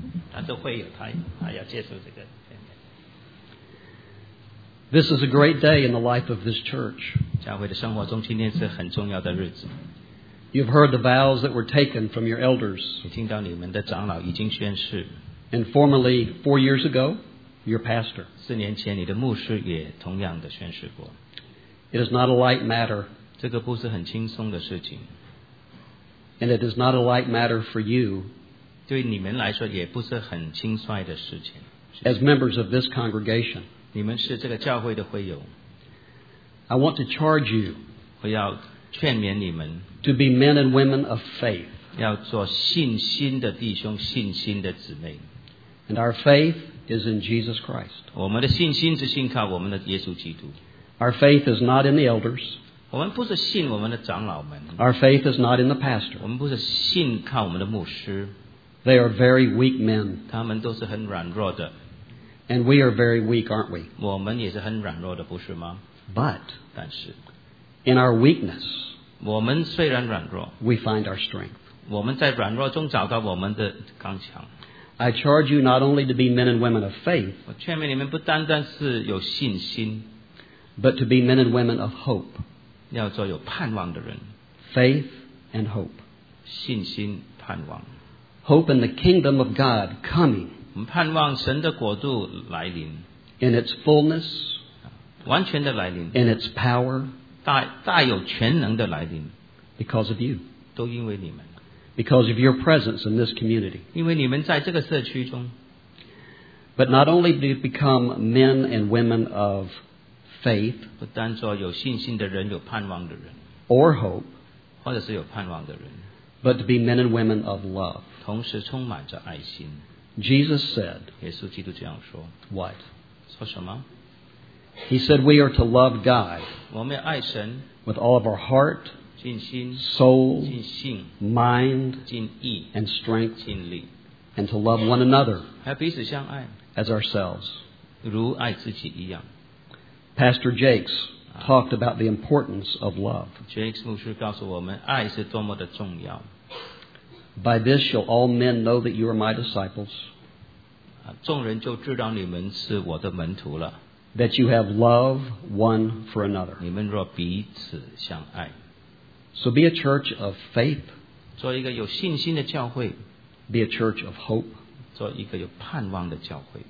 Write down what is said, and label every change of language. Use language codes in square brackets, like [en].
[zh] 他是会友，他要接受这个。 [en] This is a great day in the life of this church. [zh] 教会的生活中今天是很重要的日子。 [en] You've heard the vows that were taken from your elders. [zh] 你听到你们的长老已经宣誓。 [en] And formally, 4 years ago, your pastor. [zh] 四年前你的牧师也同样的宣誓过。 [en] It is not a light matter. [zh] 这个不是很轻松的事情。 [en] And it is not a light matter for you. [zh] 对你们来说也不是很轻率的事情。 [en] As members of this congregation. [zh] 你们是这个教会的会友。 [en] I want to charge you. [zh] 我要劝勉你们。 [en] To be men and women of faith. [zh] 要做信心的弟兄，信心的姊妹。 [en] And our faith is in Jesus Christ. [zh] 我们的信心是信靠我们的耶稣基督。 [en] Our faith is not in the elders. [zh] 我们不是信我们的长老们。 [en] Our faith is not in the pastor. [zh] 我们不是信靠我们的牧师。 [en] They are very weak men. [zh] 他们都是很软弱的。 [en] And we are very weak, aren't we? [zh] 我们也是很软弱的，不是吗？ [en] But, [zh] 但是 [en] in our weakness, [zh] 我们虽然软弱， [en] we find our strength. [zh] 我们在软弱中找到我们的刚强。 [en] I charge you not only to be men and women of faith, [zh] 我劝勉你们不单单是有信心， [en] but to be men and women of hope, [zh] 要做有盼望的人。 [en] Faith and hope, [zh] 信心盼望。 [en] Hope in the kingdom of God coming, [zh] 我们盼望神的国度来临 [en] ，in its fullness， [zh] 完全的来临 [en] ，in its power， [zh] 大有全能的来临 [en] ，because of you， [zh] 都因为你们 [en] ，because of your presence in this community， [zh] 因为你们在这个社区中。 [en] But not only do you become men and women of faith， [zh] 不单做有信心的人，有盼望的人 [en] ，or hope， [zh] 或者是有盼望的人 [en] ，but to be men and women of love， [zh] 同时充满着爱心。 [en] Jesus said, [zh] 耶稣基督这样说, [en] What? [zh] 说什么? [en] He said, We are to love God [zh] 我们爱神, [en] with all of our heart, [zh] 尽心, [en] soul, [zh] 尽性, [en] mind, [zh] 尽意, [en] and strength, [zh] 尽力, [en] and to love one another [zh] 还彼此相爱, [en] as ourselves. [zh] 如爱自己一样. [en] Pastor Jakes talked about the importance of love. [zh] Jakes 牧师告诉我们爱是多么的重要。 [en] By this shall all men know that you are my disciples. [zh] 众人就知道你们是我的门徒了。 [en] that you have love one for another. [zh] 你们若彼此相爱。 [en] So be a church of faith. [zh] 做一个有信心的教会。 [en] Be a church of hope. [zh] 做一个有盼望的教会。